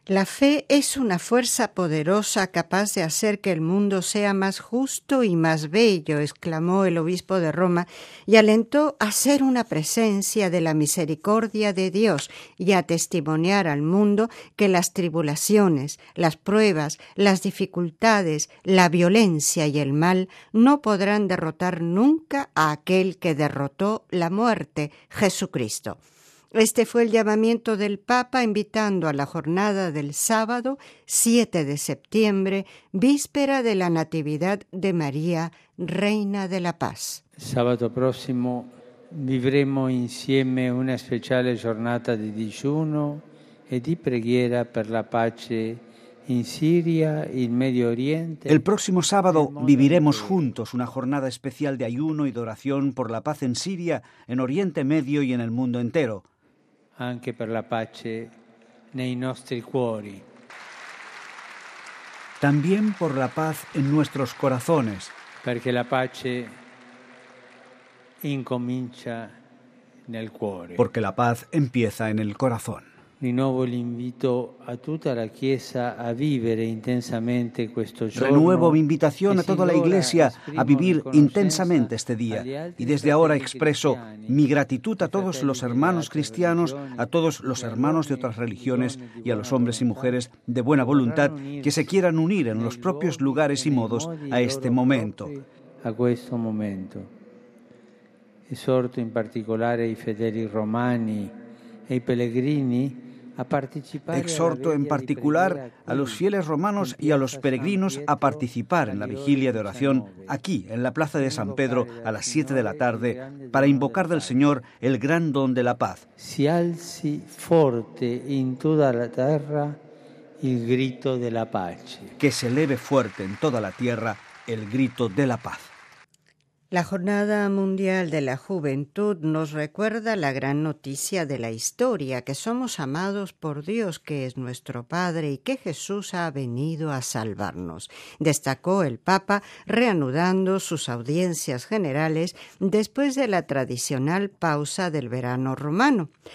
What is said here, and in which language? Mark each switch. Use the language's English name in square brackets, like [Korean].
[Spanish] La fe es una fuerza poderosa capaz de hacer que el mundo sea más justo y más bello, exclamó el obispo de Roma, y alentó a ser una presencia de la misericordia de Dios y a testimoniar al mundo que las tribulaciones, las pruebas, las dificultades, la violencia y el mal no podrán derrotar nunca a aquel que derrotó la muerte, Jesucristo. Este fue el llamamiento del Papa invitando a la jornada del sábado 7 de septiembre, víspera de la Natividad de María, Reina de la Paz. Sábado próximo [Italian] vivremo insieme una speciale giornata di digiuno e di preghiera per la pace. [Spanish] El próximo sábado viviremos juntos una jornada especial de ayuno y de oración por la paz en Siria, en Oriente Medio y en el mundo entero. [Italian] Anche per la pace nei nostri cuori. [Spanish] También por la paz en nuestros corazones. [Italian] Perché la pace incomincia nel cuore. [Spanish] Porque la paz empieza en el corazón. [Italian] Di nuovo l'invito a tutta la Chiesa a vivere intensamente questo giorno. [Spanish] Renuevo mi invitación a toda la Iglesia a vivir intensamente este día. Y desde ahora expreso mi gratitud a todos los hermanos cristianos, a todos los hermanos de otras religiones y a los hombres y mujeres de buena voluntad que se quieran unir en los propios lugares y modos a este momento. [Italian] A questo momento. Esorto in particolare i fedeli romani e i pellegrini. [Spanish] Exhorto en particular a los fieles romanos y a los peregrinos a participar en la vigilia de oración aquí, en la Plaza de San Pedro, a las 7 de la tarde, para invocar del Señor el gran don de la paz. [Italian] Si alzi forte in tutta la terra il grito della pace. [Spanish] Que se eleve fuerte en toda la tierra el grito de la paz. La Jornada Mundial de la Juventud nos recuerda la gran noticia de la historia, que somos amados por Dios, que es nuestro Padre, y que Jesús ha venido a salvarnos, destacó el Papa reanudando sus audiencias generales después de la tradicional pausa del verano romano.